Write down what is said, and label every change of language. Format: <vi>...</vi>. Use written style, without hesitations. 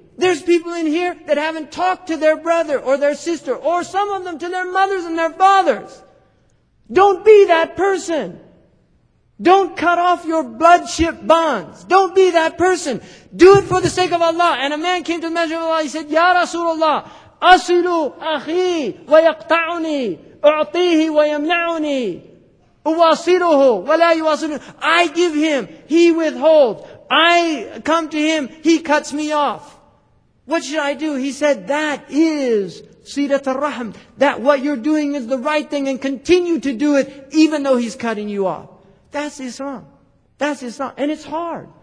<en>There's people in here that haven't talked to their brother or their sister, or some of them to their mothers and their fathers. Don't be that person. Don't cut off your bloodship bonds. Don't be that person. Do it for the sake of Allah. And a man came to the Messenger of Allah, he said, Ya Rasulullah,</en> <ar>أصل أخي ويقطعني أعطيه ويمنعني أواصله ولا يواصله.</ar> <en>I give him, he withholds. I come to him, he cuts me off. What should I do? He said, that is Sidat al-Rahm. That what you're doing is the right thing and continue to do it even though he's cutting you off. That's Islam. That's Islam. And it's hard.</en>